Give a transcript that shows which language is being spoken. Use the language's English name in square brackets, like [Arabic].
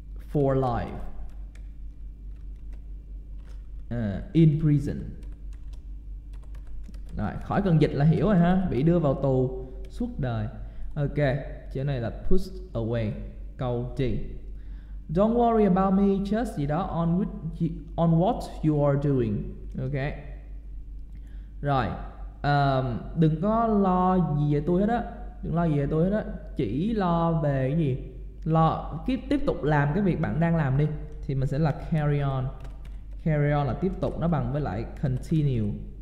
[English] for life, in prison. [Vietnamese] Rồi, khỏi cần dịch là hiểu rồi ha, bị đưa vào tù suốt đời. Ok, chỗ này là push away, câu D. [English] Don't worry about me, just [Vietnamese] gì đó [English] on what you are doing. Ok. [Vietnamese] Rồi, đừng có lo gì về tôi hết á, đừng lo gì về tôi hết á, chỉ lo về cái gì, lo tiếp tục làm cái việc bạn đang làm đi, thì mình sẽ là carry on. Carry on là tiếp tục, nó bằng với lại continue.